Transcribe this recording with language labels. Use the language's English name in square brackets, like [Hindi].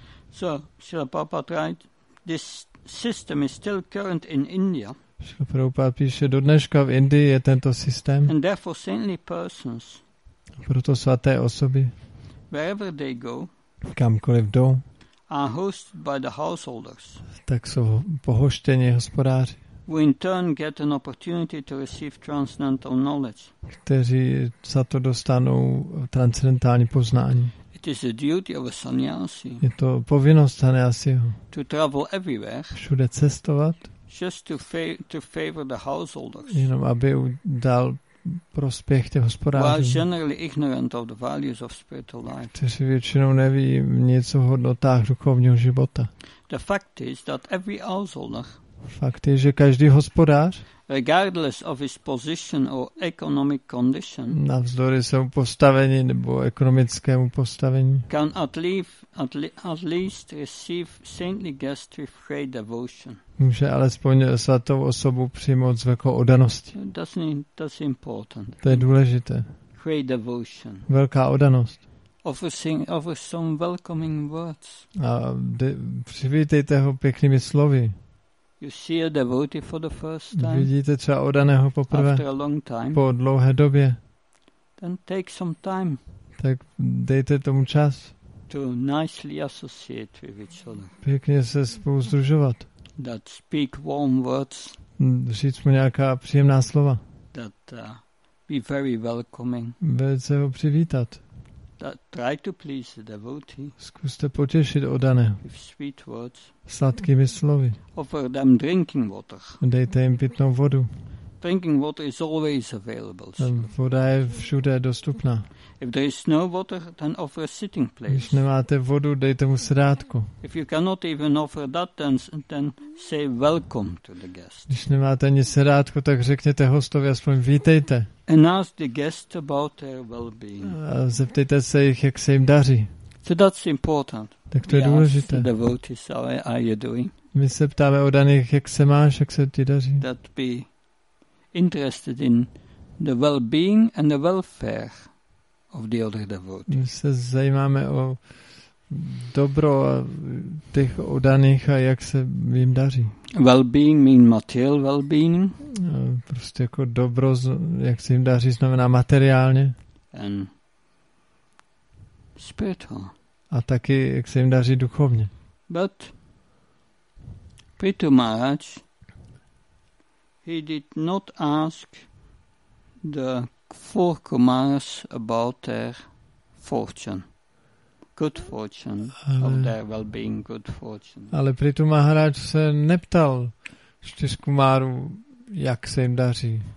[English] So, Srila Prabhupada write, this system is still current in India. [Czech] Srila Prabhupada píše, do dneška v Indii je tento systém. [English] And therefore saintly persons, [Czech] proto svaté osoby, [English] wherever they go, [Czech] kamkoliv jdou, [English] are hosted by the householders, [Czech] tak jsou pohoštěni hospodáři, [English] who in turn get an opportunity to receive transcendental knowledge. [Czech] Kteří za to dostanou transcendentální poznání. [English] It is the duty of a sannyasi. [Czech] Je to povinnost sannyasiho. [English] To travel everywhere. [Czech] Všude cestovat. [English] Just to favor the householders. [Czech] Jenom aby dal prospěch těm hospodářům. [English] While generally ignorant of the values of spiritual life. [Czech] Kteří většinou neví něco o hodnotách duchovního života. [English] The fact is that every householder. [Czech] Fakt je, že každý hospodář, [English] regardless of his position or economic condition, [Czech] navzdory svému postavení nebo ekonomickému postavení, [English] can at least receive saintly guest with great devotion. [Czech] Může alespoň svatou osobu přijmout s velkou oddaností. [English] That's important. [Czech] To je důležité. [English] Great devotion. [Czech] Velká oddanost. [English] Offer some welcoming words. [Czech] A přivítejte ho pěknými slovy. [English] You see a devotee for the first time. [Czech] Vidíte třeba oddaného poprvé. [English] After a long time. [Czech] Po dlouhé době. [English] Then take some time. [Czech] Tak dejte tomu čas. [English] To nicely associate with each other. [Czech] Pěkně se spolu sdružovat. [English] That speak warm words. [Czech] Říct mu nějaká příjemná slova. [English] That be very welcoming. [Czech] Velice ho přivítat. [English] That try to please the devotee. [Czech] Zkuste potěšit oddané. [English] With sweet words. [Czech] Sladkými slovy. [English] Offer them drinking water. [Czech] Dejte jim pitnou vodu. [English] Drinking water is always available. [Czech] Voda je všude dostupná. [English] If there is no water, then offer a sitting place. [Czech] Když nemáte vodu, dejte mu sedátko. [English] If you cannot even offer that, then say welcome to the guest. [Czech] Když nemáte ani sedátko, tak řekněte hostovi aspoň vítejte. [English] And ask the guest about their well-being. [Czech] A zeptejte se jich, jak se jim daří. [English] So that's important. [Czech] Tak to je důležité. [English] The devotees, how are you doing? [Czech] My se ptáme o daných, jak se máš, jak se ti daří. [English] That be interested in the well-being and the welfare of the other devotees. [Czech] My se zajímáme o dobro těch oddaných a jak se jim daří. [English] Well-being mean material well-being. [Czech] Prostě jako dobro, jak se jim daří, znamená materiálně. [English] And spiritual. [Czech] A taky, jak se jim daří duchovně. [English] But Prithu Maharaj, he did not ask the four Kumaras about their fortune. Good fortune, [Czech] ale, [English] of their well-being, good fortune. [Czech] Ale Prithu Maharaj se neptal čtyř kumárů, jak se jim daří.